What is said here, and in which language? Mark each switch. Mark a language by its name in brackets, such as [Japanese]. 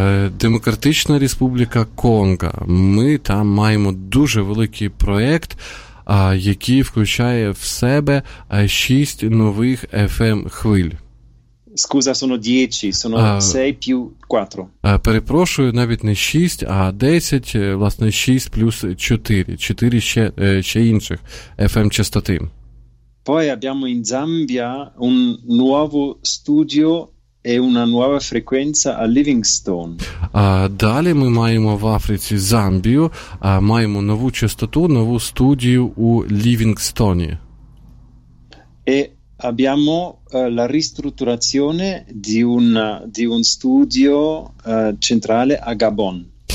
[Ukrainian] Демократична Республіка Конго. Ми там маємо дуже великий проєкт, який включає в себе 6 нових FM-хвиль. [Italian] Scusa, sono 10, sono 6 più 4. [Ukrainian] Перепрошую, навіть не 6, а 10, власне, 6 плюс 4. 4 ще інших FM-частоти. [Italian] Poi abbiamo in Zambia un nuovo studio e una nuova frequenza a Livingstone. [Ukrainian] Далі ми маємо в Африці Замбію, маємо нову частоту, нову студію у Лівінгстоні. [Italian] E abbiamo la ristrutturazione di un studio centrale a Gabon.